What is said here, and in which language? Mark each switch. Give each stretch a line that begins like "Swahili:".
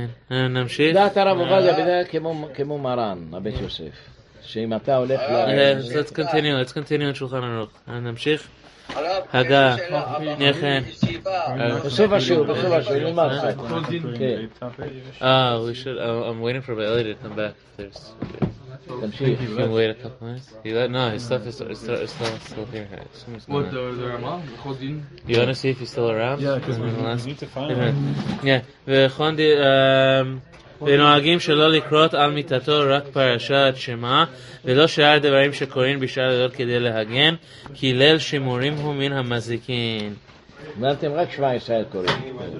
Hebrew: נמשיך. דעת הרב עובדיה, בדיוק כמו מרן, הבית יוסף. שאם אתה הולך ל... let's continue, let's continue את שולחן ערוך. נמשיך. הגה, נכן. בסוף השיעור, בסוף השיעור, לא מה עכשיו.
English: We should, I'm waiting for Bailey to come back. There's...
Hebrew: תמשיך.
English: You can wait a couple minutes. He let... No, his stuff is still here. What, the Ramah? The Chodin? You want to see if he's still around? Yeah, because we need to find him. Yeah, the Chodin...
Hebrew: ונוהגים שלא לקרות על מיטתו רק פרשת שמה, ולא שאר דברים שקורים בשאר הלילות כדי להגן, כי ליל שימורים הוא מן המזיקין. אמרתם רק שמה ישראל קוראים.